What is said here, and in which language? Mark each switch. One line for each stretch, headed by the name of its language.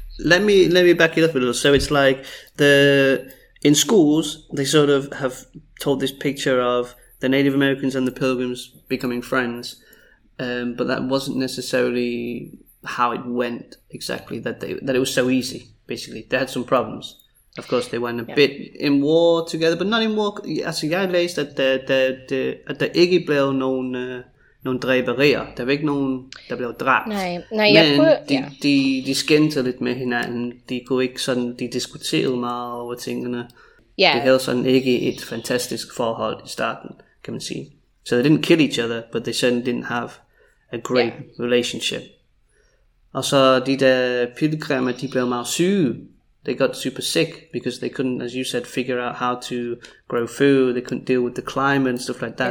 English: Let me back it up a little. So it's like the in schools they sort of have told this picture of the Native Americans and the Pilgrims becoming friends. But that wasn't necessarily how it went exactly, that it was so easy, basically. They had some problems. Of course, they went a bit in war together, but not in war.
Danish: Altså, jeg læste, at der ikke blev nogen dræberier. Der var ikke nogen, der blev dræbt. Nej, jeg men de skændte lidt med hinanden. De kunne ikke sådan, de diskuterede meget over tingene.
English: Yeah.
Danish: Det havde sådan ikke et fantastisk forhold i starten, kan man sige.
English: So they didn't kill each other, but they certainly didn't have a great relationship.
Danish: Og så de der pilgrimer, de blev meget syge.
English: They got super sick because they couldn't, as you said, figure out how to grow food. They couldn't deal with the climate and stuff like that.